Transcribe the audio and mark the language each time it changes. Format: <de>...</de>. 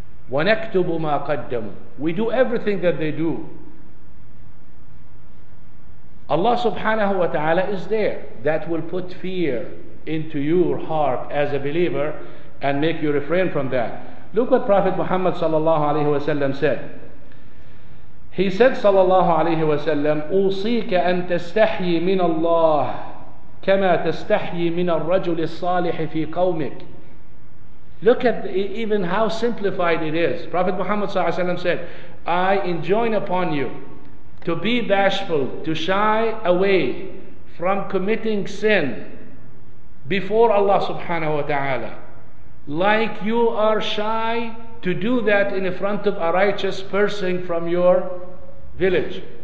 <ar>وَنَكْتُبُ مَا قَدَّمُ.</ar> <en>We do everything that they do. Allah subhanahu wa ta'ala is there. That will put fear into your heart as a believer and make you refrain from that. Look what Prophet Muhammad sallallahu alayhi wa sallam said. He said</en> <ar>sallallahu alayhi wa sallam, أُوصِيكَ أَن تَسْتَحْيِ مِنَ اللَّهِ كَمَا تَسْتَحْيِ مِنَ الرَّجُلِ الصَّالِحِ فِي قَوْمِكَ.</ar> <en>Look at even how simplified it is. Prophet Muhammad ﷺ said, I enjoin upon you to be bashful, to shy away from committing sin before Allah subhanahu wa ta'ala, like you are shy to do that in front of a righteous person from your village.</en>